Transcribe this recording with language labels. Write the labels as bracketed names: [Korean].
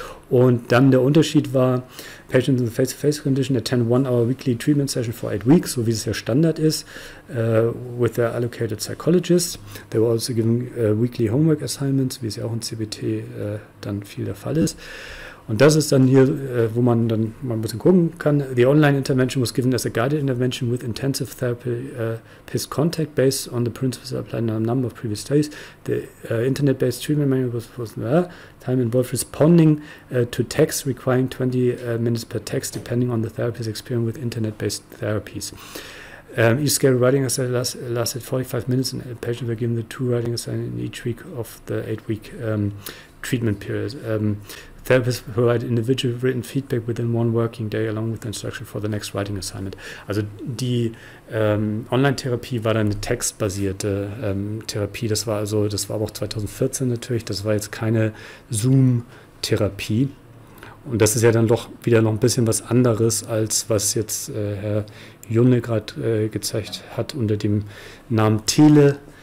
[German] Und dann der Unterschied war, [English] patients in the face-to-face condition attend 1 hour weekly treatment session for 8 weeks, [German] so wie es ja Standard ist, [English] with their allocated psychologist. They were also given weekly homework assignments, [German] wie es ja auch in CBT dann viel der Fall ist. Und das ist dann hier, wo man dann mal ein bisschen gucken kann. [English] The online intervention was given as a guided intervention with intensive therapist contact based on the principles applied in a number of previous studies. The internet-based treatment manual was time involved responding to text requiring 20 minutes per text depending on the therapist's experience with internet-based therapies. Each scheduled writing assignment lasted 45 minutes and patients were given the 2 writing assignments in each week of the 8-week treatment period. Therapists provide individual written feedback within 1 working day along with the instruction for the next writing assignment. [German] Also die Online-Therapie war dann eine textbasierte Therapie. Das war also, das war aber auch 2014 natürlich. Das war jetzt keine Zoom-Therapie. Und das ist ja dann doch wieder noch ein bisschen was anderes, als was jetzt Herr Junne gerade gezeigt hat unter dem Namen Tele.